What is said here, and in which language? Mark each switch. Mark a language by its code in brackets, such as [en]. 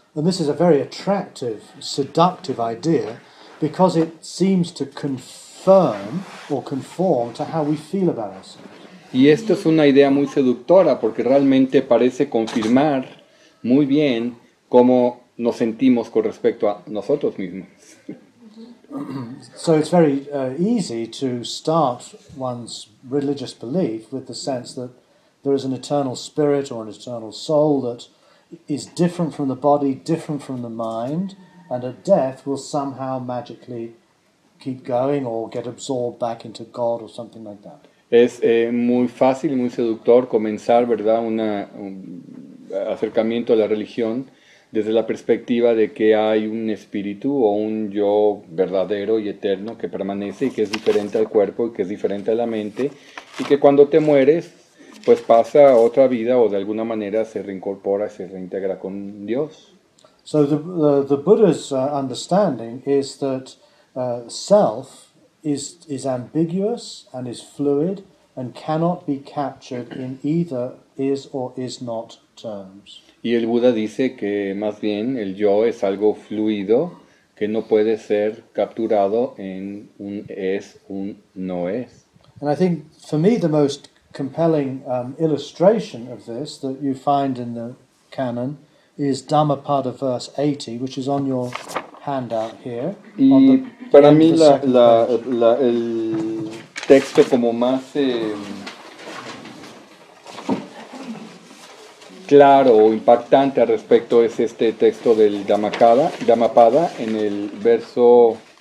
[en] And this is a very attractive, seductive idea, because it seems to confirm or conform to how we feel about ourselves. [es] Y esto es una idea muy seductora, porque realmente parece confirmar muy bien cómo nos sentimos con respecto a nosotros mismos. [en] So it's very easy to start one's religious belief with the sense that there is an eternal spirit or an eternal soul that is different from the body, different from the mind, and at death will somehow magically keep going or get absorbed back into God or something like that. [es] Es muy fácil y muy seductor comenzar, ¿verdad?, un acercamiento a la religión desde la perspectiva de que hay un espíritu o un yo verdadero y eterno que permanece y que es diferente al cuerpo y que es diferente a la mente y que cuando te mueres pues pasa a otra vida o de alguna manera se reincorpora, se reintegra con Dios. [en] So the Buddha's understanding is that self is ambiguous and is fluid and cannot be captured in either is or is not terms. [es] Y el Buda dice que más bien el yo es algo fluido que no puede ser capturado en un es, un no es. [en] And I think for me the most compelling illustration of this that you find in the canon is Dhammapada verse 80, which is on your handout here. [es] Y para mí el texto como más claro o impactante al respecto es este texto del Dhammapada en el verso